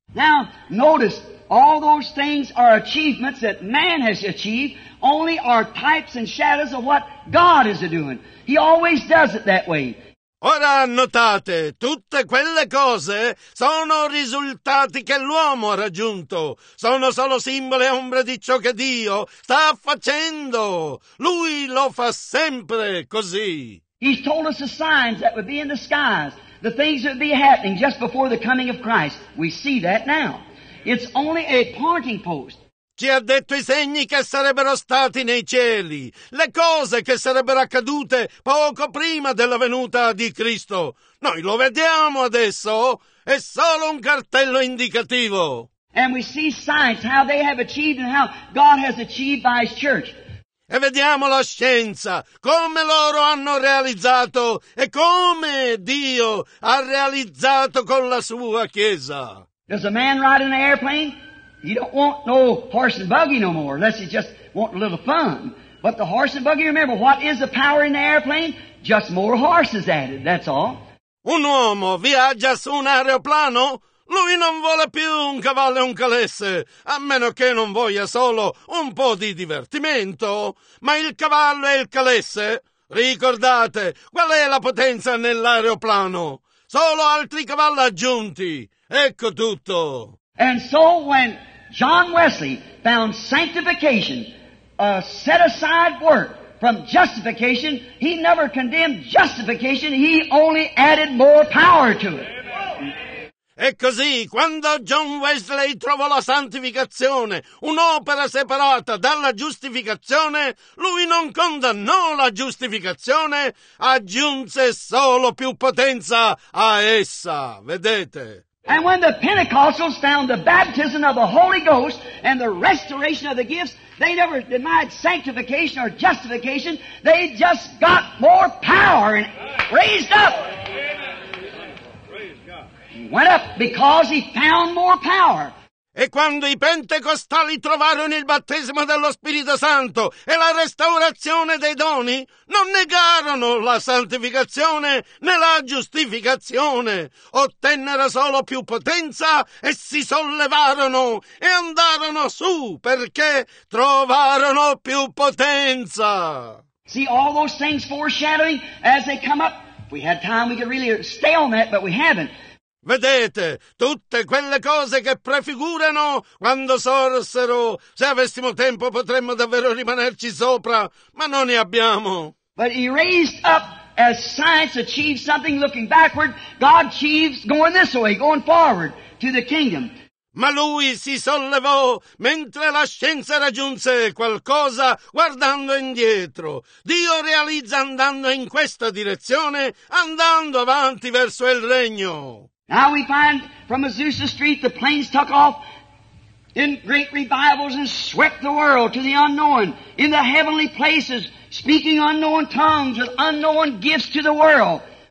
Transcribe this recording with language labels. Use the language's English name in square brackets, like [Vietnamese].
[English] Now, notice, all those things are achievements that man has achieved, only are types and shadows of what God is doing. He always does it that way. [Italian] Ora notate, tutte quelle cose sono risultati che l'uomo ha raggiunto. Sono solo simboli e ombre di ciò che Dio sta facendo. Lui lo fa sempre così. [English] He's told us the signs that would be in the skies, the things that would be happening just before the coming of Christ. We see that now. It's only a pointing post. [Italian] Ci ha detto i segni che sarebbero stati nei cieli, le cose che sarebbero accadute poco prima della venuta di Cristo. Noi lo vediamo adesso, è solo un cartello indicativo. [English] And we see science, how they have achieved and how God has achieved by His church. [Italian] E vediamo la scienza, come loro hanno realizzato e come Dio ha realizzato con la sua Chiesa. [English] Does a man ride in an airplane? He don't want no horse and buggy no more, unless he just want a little fun. But the horse and buggy, remember, what is the power in the airplane? Just more horses added, that's all. [Italian] Un uomo viaggia su un aeroplano? Lui non vuole più un cavallo e un calesse, a meno che non voglia solo un po' di divertimento. Ma il cavallo e il calesse? Ricordate, qual è la potenza nell'aeroplano? Solo altri cavalli aggiunti. Ecco tutto. [English] And so when John Wesley found sanctification, a set aside work from justification, he never condemned justification, he only added more power to it. [Italian] E così, quando John Wesley trovò la santificazione, un'opera separata dalla giustificazione, lui non condannò la giustificazione, aggiunse solo più potenza a essa. Vedete? [English] And when the Pentecostals found the baptism of the Holy Ghost and the restoration of the gifts, they never denied sanctification or justification. They just got more power and raised up. Went up because he found more power. [Italian] E quando i pentecostali trovarono il battesimo dello Spirito Santo e la restaurazione dei doni, non negarono la santificazione né la giustificazione. Ottennero solo più potenza e si sollevarono e andarono su perché trovarono più potenza. [English] See all those things foreshadowing as they come up? If we had time, we could really stay on that, but we haven't. [Italian] Vedete, tutte quelle cose che prefigurano quando sorsero, se avessimo tempo potremmo davvero rimanerci sopra, ma non ne abbiamo. [English] But he raised up as science achieved something looking backward, God achieves going this way, going forward to the kingdom. [Italian] Ma lui si sollevò mentre la scienza raggiunse qualcosa guardando indietro. Dio realizza andando in questa direzione, andando avanti verso il regno. [English] Now we find from Azusa Street the planes took off in great revivals and swept the world to the unknown, in the heavenly places, speaking unknown tongues with unknown gifts to the world.